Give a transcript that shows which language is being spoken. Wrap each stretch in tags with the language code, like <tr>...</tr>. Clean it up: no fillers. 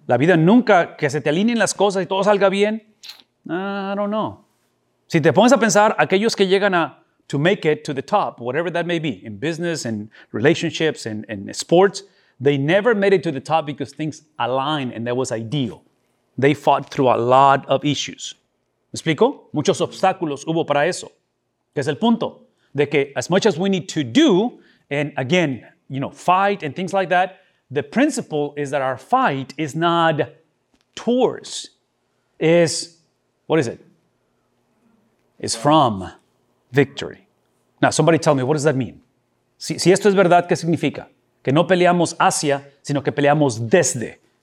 <es>La vida nunca que se te alineen las cosas y todo salga bien.</es> <en>I don't know.</en> <es>Si te pones a pensar, aquellos que llegan</es> <en>to make it to the top, whatever that may be, in business, in relationships, in sports, they never made it to the top because things aligned and that was ideal. They fought through a lot of issues.</en> <es>¿Me explico? Muchos obstáculos hubo para eso. Que es el punto de que</es> <en>as much as we need to do, and again, you know, fight and things like that, the principle is that our fight is not towards, is, what is it? It's from victory. Now, somebody tell me, what does that mean?</en> <es>Si esto es verdad, ¿qué significa? Que no peleamos hacia, sino que peleamos desde.</es>